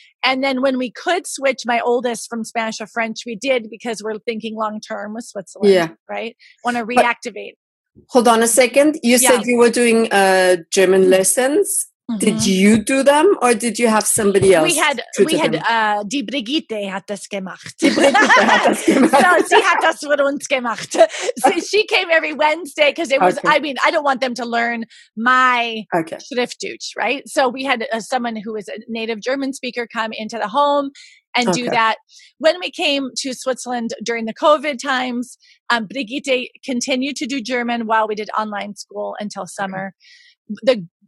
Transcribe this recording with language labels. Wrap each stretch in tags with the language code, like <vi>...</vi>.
<en>And then when we could switch my oldest from Spanish to French, we did because we're thinking long-term with Switzerland, right? Want to reactivate. But hold on a second. You said you were doing German lessons. Mm-hmm. Did you do them or did you have somebody else? We had</en> <de>Die Brigitte hat das gemacht. Sie hat das für uns gemacht.</de> <en>So she came every Wednesday because it was, I don't want them to learn my Schriftdeutsch, right? So we had someone who was a native German speaker come into the home and do that. When we came to Switzerland during the COVID times, Brigitte continued to do German while we did online school until summer. Okay.</en>